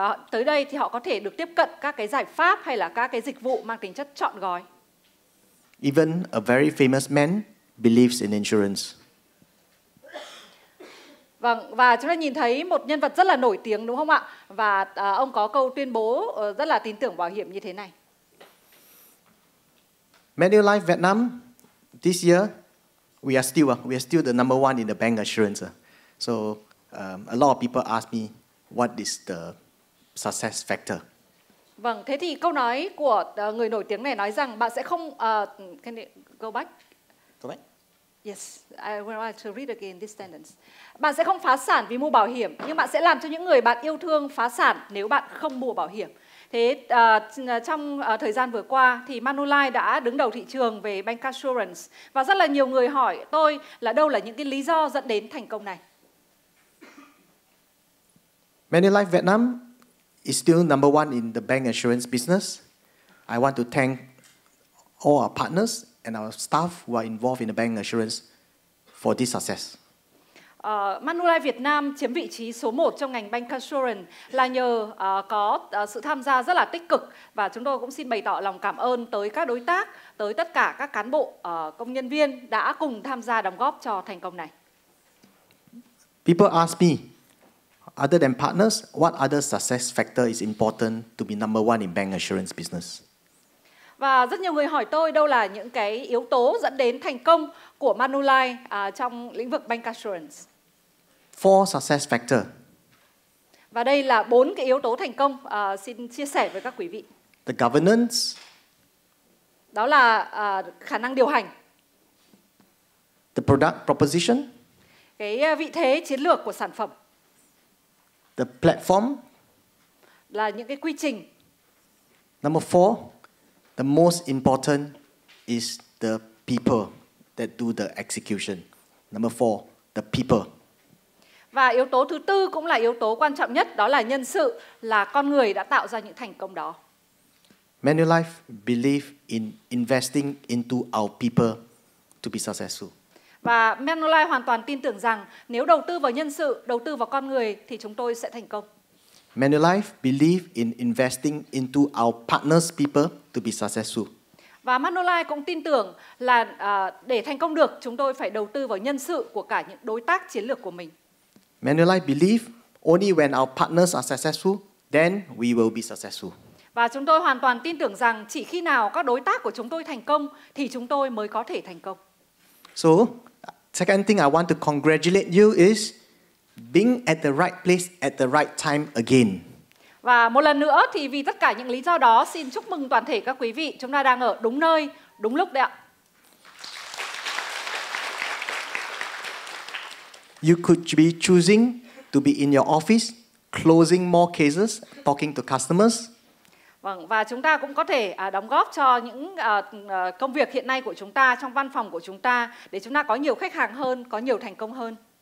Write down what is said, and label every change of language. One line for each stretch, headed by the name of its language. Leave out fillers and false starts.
Vietnamese: Tới đây thì họ có thể được tiếp cận các cái giải pháp hay là các cái dịch vụ mang tính chất trọn gói.
English: Even a very famous man believes in insurance.
Vietnamese: Vâng, và chúng ta nhìn thấy một nhân vật rất là nổi tiếng đúng không ạ? Và ông có câu tuyên bố rất là tin tưởng bảo hiểm như thế này.
English: Manulife Vietnam this year, We are still the number one in the bank assurance. So a lot of people ask me, what is the success factor?
Vietnamese: Vâng, thế thì câu nói của người nổi tiếng này nói rằng bạn sẽ không...
English: Can you go back? Go back? Yes, I would like to read again this sentence.
Vietnamese: Bạn sẽ không phá sản vì mua bảo hiểm, nhưng bạn sẽ làm cho những người bạn yêu thương phá sản nếu bạn không mua bảo hiểm. Thế trong thời gian vừa qua thì Manulife đã đứng đầu thị trường về bancassurance, và rất là nhiều người hỏi tôi là đâu là những cái lý do dẫn đến thành công này.
English: Manulife Vietnam is still number one in the bank assurance business. I want to thank all our partners and our staff who are involved in the bank assurance for this success.
Vietnamese: Manulife Việt Nam chiếm vị trí số 1 trong ngành bancassurance là nhờ sự tham gia rất là tích cực, và chúng tôi cũng xin bày tỏ lòng cảm ơn tới các đối tác, tới tất cả các cán bộ công nhân viên đã cùng tham gia đóng góp cho thành công này.
English: People ask me, other than partners, what other success factor is important to be number one in bank assurance business?
Vietnamese: Và rất nhiều người hỏi tôi đâu là những cái yếu tố dẫn đến thành công của Manulife trong lĩnh vực bancassurance.
English: 4 success factor.
Vietnamese: Và đây là 4 cái yếu tố thành công xin chia sẻ với các quý vị.
English: The governance.
Vietnamese: Đó là khả năng điều hành.
English: The product proposition.
Vietnamese: Cái vị thế chiến lược của sản phẩm.
English: The platform.
Vietnamese: Là những cái quy trình.
English: Number 4. The most important is the people that do the execution. Number 4, the people.
Vietnamese: Và yếu tố thứ tư cũng là yếu tố quan trọng nhất, đó là nhân sự, là con người đã tạo ra những thành công đó.
English: Manulife believe in investing into our people to be successful.
Vietnamese: Và Manulife hoàn toàn tin tưởng rằng nếu đầu tư vào nhân sự, đầu tư vào con người thì chúng tôi sẽ thành công.
English: Manulife believe in investing into our partners people to be successful.
Vietnamese: Và Manulife cũng tin tưởng là để thành công được, chúng tôi phải đầu tư vào nhân sự của cả những đối tác chiến lược của mình.
English: Manulife believe only when our partners are successful, then we will be successful.
Vietnamese: Và chúng tôi hoàn toàn tin tưởng rằng chỉ khi nào các đối tác của chúng tôi thành công thì chúng tôi mới có thể thành công.
English: So, second thing I want to congratulate you is being at the right place at the right time again.
Vietnamese: Và một lần nữa thì vì tất cả những lý do đó, xin chúc mừng toàn thể các quý vị, chúng ta đang ở đúng nơi, đúng lúc đấy ạ.
English: You could be choosing to be in your office, closing more cases, talking to customers.
Vietnamese: Vâng, và chúng ta cũng có thể đóng góp cho những công việc hiện nay của chúng ta, trong văn phòng của chúng ta, để chúng ta có nhiều khách hàng hơn, có nhiều thành công hơn.